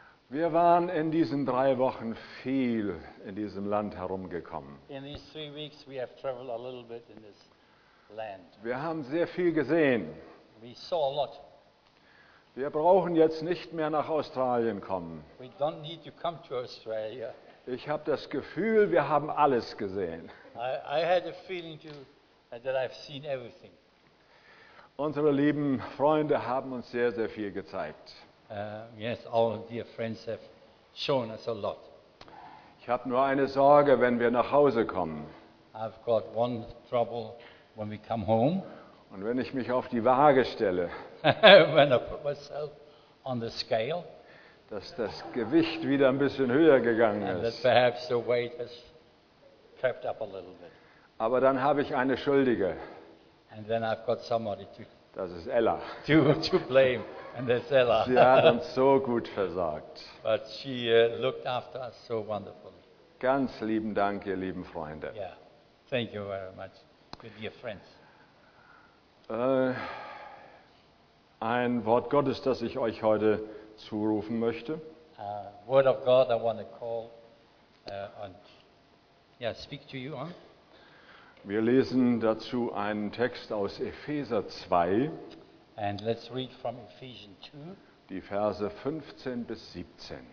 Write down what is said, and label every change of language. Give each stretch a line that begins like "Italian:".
German: Wir waren in diesen drei Wochen viel in diesem Land herumgekommen.
English: In these 3 weeks we have traveled a little bit in this land.
German: Wir haben sehr viel gesehen.
English: We saw a lot.
German: Wir brauchen jetzt nicht mehr nach Australien kommen.
English: We don't need to come to Australia.
German: Ich habe das Gefühl, wir haben alles gesehen.
English: I had a feeling too, that I've seen everything.
German: Unsere lieben Freunde haben uns sehr, sehr viel gezeigt.
English: Yes, all dear friends have shown us a lot.
German: Ich habe nur eine Sorge, wenn wir nach Hause kommen.
English: I've got one trouble when we come home.
German: Und wenn ich mich auf die Waage stelle,
English: when I put myself on the scale,
German: dass das Gewicht wieder ein bisschen höher gegangen ist.
English: And that perhaps the weight has crept up a little bit.
German: Aber dann habe ich eine Schuldige.
English: And then I've got somebody to.
German: Das ist Ella.
English: To blame. And that's Ella.
German: Sie hat uns so gut versorgt.
English: But she looked after us so wonderfully.
German: Ganz lieben Dank, ihr lieben Freunde.
English: Yeah. Thank you very much, good dear friends.
German: Ein Wort Gottes, das ich euch heute zurufen möchte.
English: Word of God, I want to call and yeah, speak to you on.
German: Wir lesen dazu einen Text aus Epheser 2.
English: And let's read from Ephesians 2.
German: Die Verse 15 bis 17.